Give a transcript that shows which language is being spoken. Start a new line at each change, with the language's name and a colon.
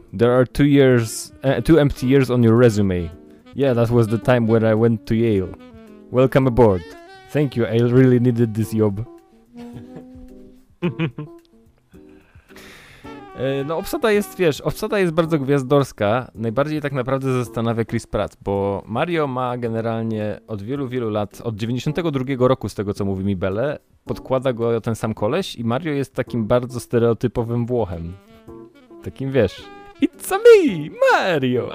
English: There are two empty years on your resume. Yeah, that was the time when I went to Yale. Welcome aboard. Thank you, I really needed this job.
Polish: No obsada jest bardzo gwiazdorska. Najbardziej tak naprawdę zastanawia Chris Pratt, bo Mario ma generalnie od wielu, wielu lat, od 92 roku z tego co mówi mi Belle, podkłada go ten sam koleś i Mario jest takim bardzo stereotypowym Włochem. Takim wiesz,
English: it's a me, Mario!